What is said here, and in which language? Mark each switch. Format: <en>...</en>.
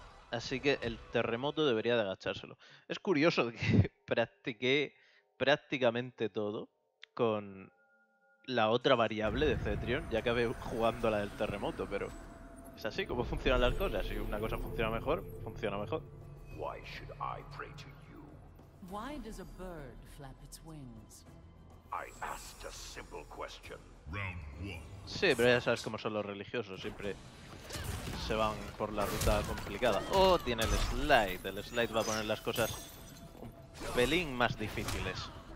<es>Así que el terremoto debería de agachárselo. Es curioso que practiqué prácticamente todo con la otra variable de Cetrion. Ya acabé jugando la del terremoto, pero es así como funcionan las cosas. Si una cosa funciona mejor, funciona mejor. ¿Por qué debería orar a ti?</es> <en>Why does a bird flap its wings? I asked a simple question.</en> <es>Sí, pero ya sabes cómo son los religiosos, siempre se van por la ruta complicada. Oh, tiene el slide. El slide va a poner las cosas un pelín más difíciles.</es>